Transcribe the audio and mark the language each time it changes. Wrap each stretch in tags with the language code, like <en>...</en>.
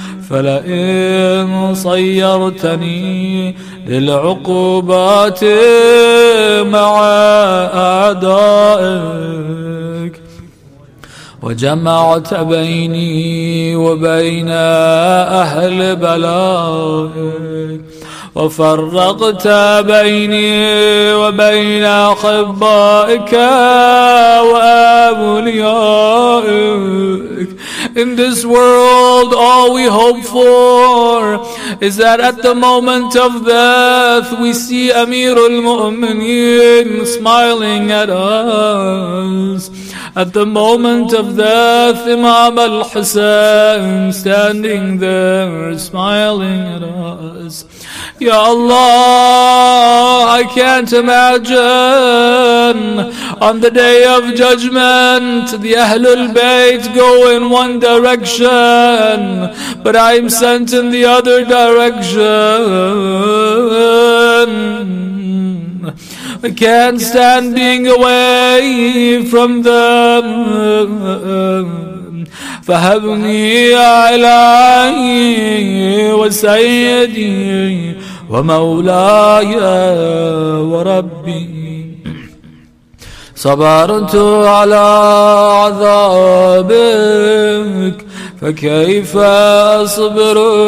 <ar>فلئن صيرتني للعقوبات مع أعدائك وجمعت بيني وبين أهل بلائك وفرقت بيني وبين أحبائك وأوليائك.</ar> <en>In this world, all we hope for is that at the moment of death we see Amir al-Mu'mineen smiling at us. At the moment of death, Imam al-Hussein standing there smiling at us. Ya Allah, I can't imagine on the day of judgment the Ahlul Bayt go in one direction, but I'm sent in the other direction. I can't stand being away from them.</en> <ar>فهبني يا إلهي وسيدي ومولاي وربي صبرت على عذابك فكيف أصبر</ar>